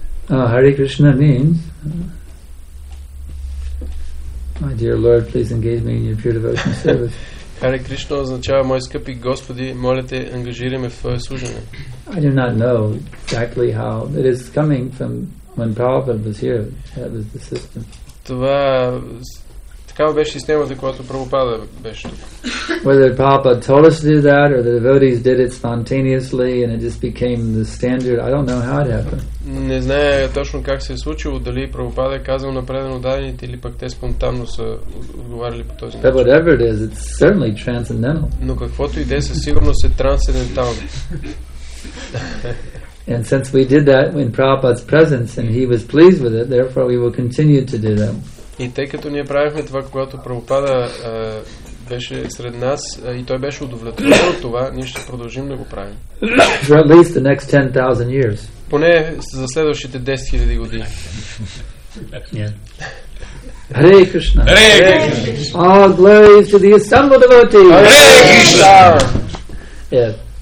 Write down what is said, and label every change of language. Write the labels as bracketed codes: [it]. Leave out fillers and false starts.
[en] Hare Krishna means my dear Lord, please engage me in your pure devotion service. [bg] Hare Krishna означава, мой скъпи Господи, моля те, ангажирай ме в твое служене. [en] I do not know exactly how it is coming from when Prabhupada was here. That was the system. [bg] Това такава беше системата, която Прабхупада беше тук. [en] Whether Prabhupada told us to do that or the devotees did it spontaneously and it just became the standard, I don't know how it happened. [bg] Не знае точно как се е случило, дали Прабхупада е казал на предано дадените или пък те спонтанно са отговаряли по този начин. [en] Whatever it is, it's certainly transcendental. [bg] Но каквото и да е, със сигурност е трансцендентално. [en] And since we did that in Prabhupada's presence and he was pleased with it, therefore we will continue to do that. [bg] И тъй като ние правихме това, когато Прабхупада беше сред нас и той беше удовлетворен от това, ние ще продължим да го правим. [en] For at least the next 10,000 years. [bg] Поне за следващите 10 000 години. [en] Yeah. Hare Krishna. Hare Krishna. All glories to the assembled devotees. Hare Krishna. Yeah.